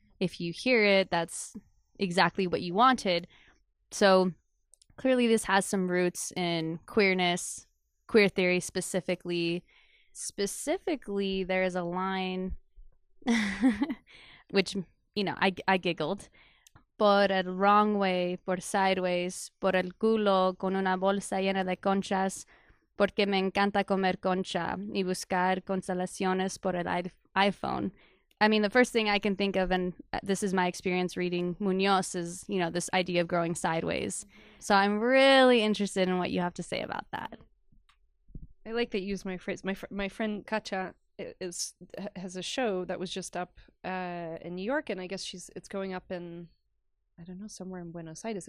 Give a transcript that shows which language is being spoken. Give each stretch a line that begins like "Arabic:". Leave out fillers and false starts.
English: If you hear it, that's exactly what you wanted. So clearly this has some roots in queerness, queer theory specifically. Specifically, there is a line, which, you know, I giggled.
Spanish: Por el
English: wrong way,
Spanish: por
English: sideways,
Spanish: por el culo, con una bolsa llena de conchas, porque me encanta comer concha y buscar constelaciones por el iPhone.
English: I mean, the first thing I can think of, and this is my experience reading Munoz, is, you know, this idea of growing sideways. So I'm really interested in what you have to say about that. I like that you use my phrase. My friend Kacha has a show that was just up in New York, and I guess it's going up in, I don't know, somewhere in Buenos Aires.